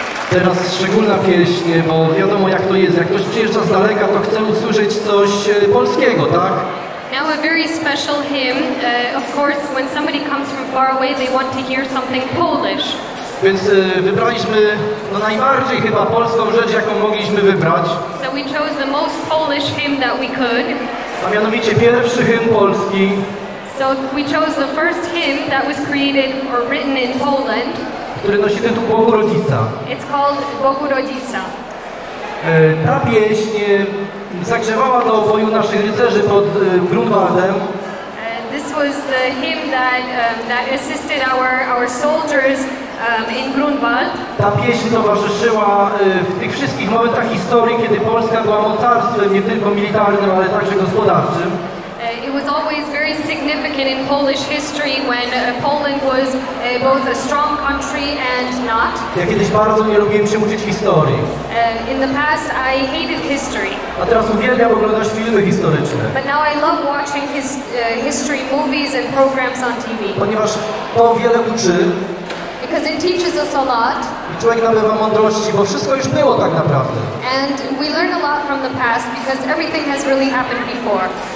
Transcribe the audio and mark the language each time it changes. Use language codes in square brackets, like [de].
[pl] teraz szczególna pieśń, bo wiadomo jak to jest. Jak ktoś przyjeżdża z daleka, to chce usłyszeć coś polskiego, tak? [en] Now a very special hymn. Of course, when somebody comes from far away, they want to hear something Polish. [pl] Więc wybraliśmy no, najbardziej chyba polską rzecz, jaką mogliśmy wybrać. [en] So we chose the most Polish hymn that we could. [pl] A mianowicie pierwszy hymn polski. [en] So we chose the first hymn that was created or written in Poland. [pl] Który nosi tytuł Bogu Rodzica. [en] It's called Bogu Rodzica. [pl] Ta pieśń zagrzewała do boju naszych rycerzy pod Grunwaldem. [en] This was the hymn that assisted our soldiers in Grunwald. [pl] Ta pieśń towarzyszyła w tych wszystkich momentach historii, kiedy Polska była mocarstwem nie tylko militarnym, ale także gospodarczym. [en] It was always very significant in Polish history when Poland was both a strong country and not. [pl] Ja kiedyś bardzo nie lubiłem się uczyć historii. [en] In the past I hated history. [pl] A teraz uwielbiam oglądać filmy historyczne. [en] But now I love watching history movies and programs on TV. [pl] Ponieważ to wiele uczy. [en] Because it teaches us a lot. [pl] I człowiek nabywa mądrości, bo wszystko już było tak naprawdę. [en] And we learn a lot from the past because everything has really happened before.